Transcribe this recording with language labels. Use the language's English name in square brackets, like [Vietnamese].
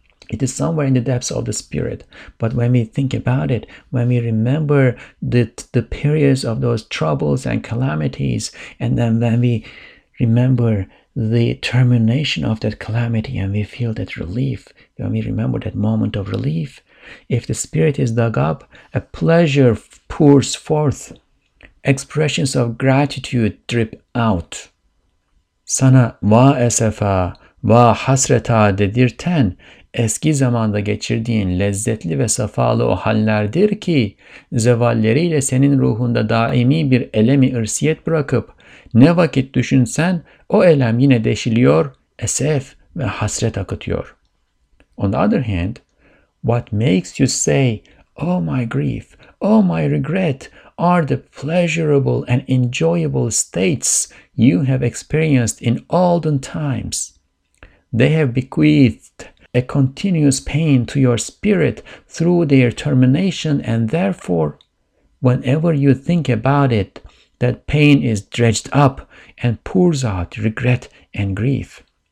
[English] It is somewhere in the depths of the spirit. But when we think about it, when we remember the periods of those troubles and calamities, and then when we remember the termination of that calamity and we feel that relief, when we remember that moment of relief, if the spirit is dug up, a pleasure pours forth. Expressions of gratitude drip out. [Turkish] Sana va esefa, va hasreta dedirten, eski zamanda geçirdiğin lezzetli ve safalı o hallerdir ki, zevalleriyle senin ruhunda daimi bir elemi irsiyet bırakıp, ne vakit düşünsen o elem yine deşiliyor, esef ve hasret akıtıyor. [English] On the other hand, what makes you say, oh my grief, oh my regret, are the pleasurable and enjoyable states you have experienced in olden times. They have bequeathed a continuous pain to your spirit through their termination, and therefore, whenever you think about it, that pain is dredged up and pours out regret and grief.